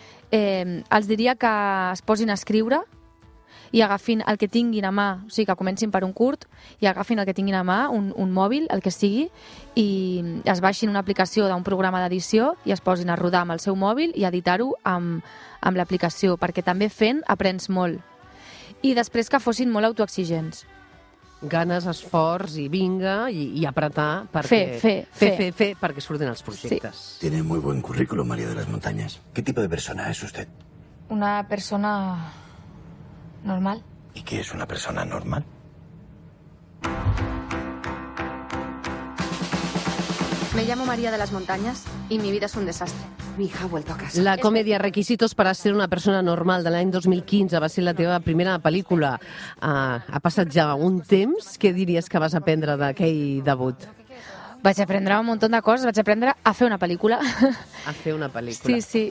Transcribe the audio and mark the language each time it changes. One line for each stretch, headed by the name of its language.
Catalan: Els diria que es posin a escriure i agafin el que tinguin a mà, o sigui, que comencin per un curt i agafin el que tinguin a mà, un mòbil, el que sigui, i es baixin una aplicació d'un programa d'edició i es posin a rodar amb el seu mòbil i editar-ho amb l'aplicació, perquè també fent aprens molt. I després que fossin molt autoexigents, ganes, esforç i vinga i apretar perquè, fer perquè surten els projectes. Sí.
Spanish: Tiene muy buen currículum, María de las Montañas. ¿Qué tipo de persona es usted? Una persona normal. ¿Y qué es una persona normal? Me llamo María de las Montañas y mi vida es un desastre. Mi hija ha vuelto a casa.
Catalan: La comèdia Requisitos para ser una persona normal de l'any 2015 va ser la teva primera pel·lícula. Ha passat ja un temps. Què diries que vas aprendre d'aquell debut? Vaig aprendre un munt de coses. Vaig aprendre a fer una pel·lícula. A fer una pel·lícula. Sí, sí.